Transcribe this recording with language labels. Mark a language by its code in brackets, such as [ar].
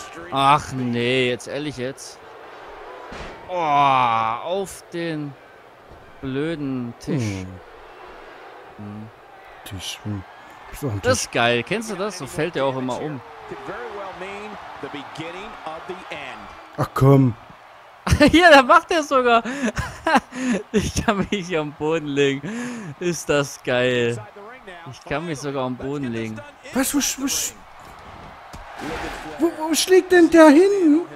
[de] Ach nee, jetzt ehrlich jetzt. Oh, auf den blöden Tisch. Hm. Tisch. Das ist geil. Kennst du das? So fällt der auch immer um. [en] could very well mean the beginning of the end. [de] Ach komm. Ja, da macht er sogar. Ich kann mich hier am Boden legen. Ist das geil. Ich kann mich sogar am Boden legen. Was, wo schlägt denn der hin?